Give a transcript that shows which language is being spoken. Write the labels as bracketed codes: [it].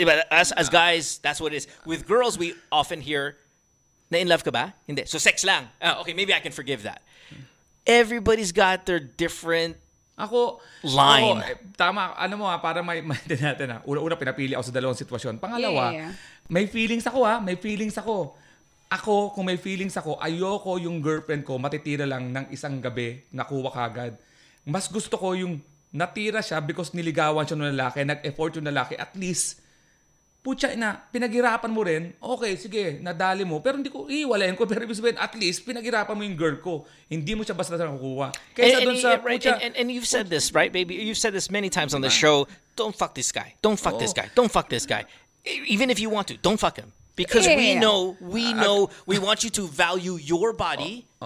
[en] As guys, that's what it is. With girls, we often hear, [tl] na-in love ka ba? Hindi. [en] So sex lang. Okay, maybe I can forgive that. Everybody's got their different [tl] ako, [en] line. [tl] Ako, tama. Ano mo ha, para maintindihan natin ha. Una, pinapili ako sa dalawang sitwasyon. Pangalawa, may feelings ako ha. May feelings ako. Ako, kung may feelings ako, ayoko yung girlfriend ko matitira lang ng isang gabi, nakuha kagad. Mas gusto ko yung natira siya because niligawan siya ng lalaki, nag-effort yung lalaki. At least, putya ina, pinaghirapan mo rin, okay, sige, nadali mo, pero hindi ko iiwalayin ko, pero ibig sabihin, at least, pinaghirapan mo yung girl ko. Hindi mo siya basta nakukuha. Kesa dun sa, putya, [en] and you've said this, right, baby? You've said this many times on the show, don't fuck this guy. Don't fuck this guy. Don't fuck this guy. Even if you want to, don't fuck him. Because we know, we want you to value your body.